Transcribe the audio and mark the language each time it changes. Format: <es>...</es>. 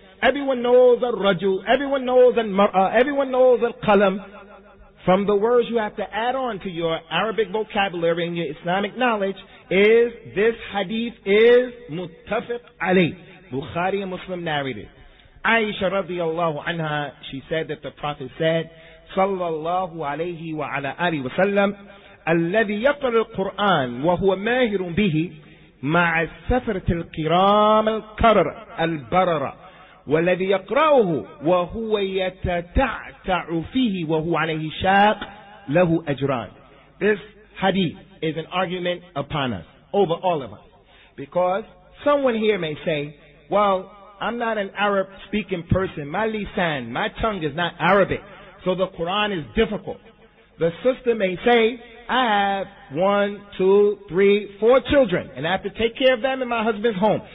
<en>Everyone knows a rajul. Everyone knows a mar'a. Everyone knows a qalam. From the words you have to add on to your Arabic vocabulary and your Islamic knowledge is this hadith is muttafiq alayh. Bukhari and Muslim narrated. Aisha radiallahu anha, she said that the Prophet said, sallallahu alayhi wa ala alihi wa sallam,</en> <ar>الذي يقرأ القرآن وهو ماهر به مع السفرة الكرام الكرر البررة والذي يقرأه وهو يتتعتع فيه وهو عليه شاق له أجران.</ar> <en>This hadith is an argument upon us, over all of us. Because someone here may say, well, I'm not an Arab speaking person. My lisan, my tongue is not Arabic. So the Quran is difficult. The sister may say, I have 1, 2, 3, 4 children, and I have to take care of them in my husband's home.</en>